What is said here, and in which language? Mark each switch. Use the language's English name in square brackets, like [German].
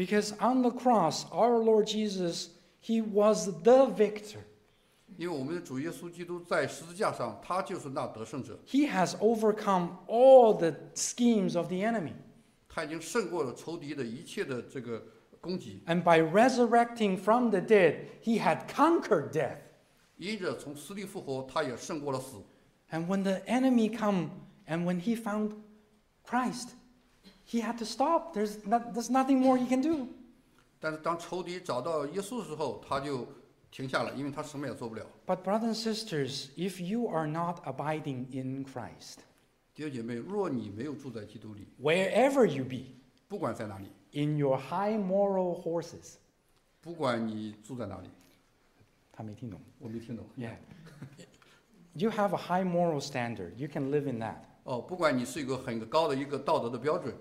[English] Because on the cross, our Lord Jesus, he was the victor. [Chinese] 因为我们的主耶稣基督在十字架上，他就是那得胜者。 [English] He has overcome all the schemes of the enemy. [Chinese] 他已经胜过了仇敌的一切的这个攻击。 [English] And by resurrecting from the dead, he had conquered death. [Chinese] 因着从死里复活，他也胜过了死。 [English] And when the enemy come, and when he found Christ, he had to stop. There's nothing more he can do. [Chinese] 但是当仇敌找到耶稣的时候，他就停下了，因为他什么也做不了。 [English] But brothers and sisters, if you are not abiding in Christ, [Chinese] 弟兄姐妹，若你没有住在基督里， [English] wherever you be, [Chinese] 不管在哪里， [English] in your high moral horses, [Chinese] 不管你住在哪里，他没听懂，我没听懂。 [English] Yeah, you have a high moral standard. You can live in that. [Chinese] 哦，不管你是一个很高的一个道德的标准